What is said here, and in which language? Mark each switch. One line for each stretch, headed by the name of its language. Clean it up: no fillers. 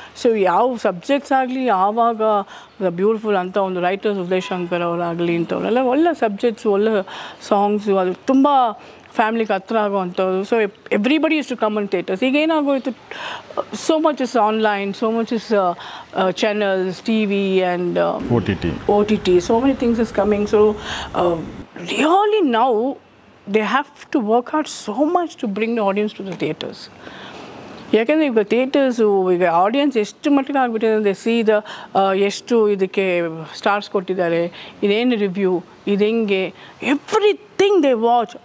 Kannada: So ಯಾವ subjects ಆಗಲಿ ಆವಾಗ ದ ಬ್ಯೂಟಿಫುಲ್ ಅಂತ ಒಂದು ರೈಟರ್ಸ್ ಉದಯ ಶಂಕರ್ ಅವರಾಗಲಿ ಇಂಥವರೆಲ್ಲ ಒಳ್ಳೆ ಸಬ್ಜೆಕ್ಟ್ಸು ಒಳ್ಳೆ ಸಾಂಗ್ಸು ಅದು ತುಂಬ ಫ್ಯಾಮಿಲಿಗೆ ಹತ್ರ ಆಗುವಂಥದ್ದು.
English: So everybody is to come in theaters.
Kannada: ಈಗ ಏನಾಗೋಯಿತು,
English: So much is online, so much is channels T V and O T T, so many things is coming. So really now they have to work out so much to bring the audience to the theaters.
Kannada: ಯಾಕೆಂದರೆ ಈಗ theatres ಈಗ audience ಎಷ್ಟು ಮಟ್ಟಿಗೆ ಆಗಿಬಿಟ್ಟಿದೆ ಅಂದರೆ sea the ಎಷ್ಟು ಇದಕ್ಕೆ stars ಕೊಟ್ಟಿದ್ದಾರೆ, ಇದೇನು ರಿವ್ಯೂ, ಇದು ಹೆಂಗೆ,
English: Everything they watch.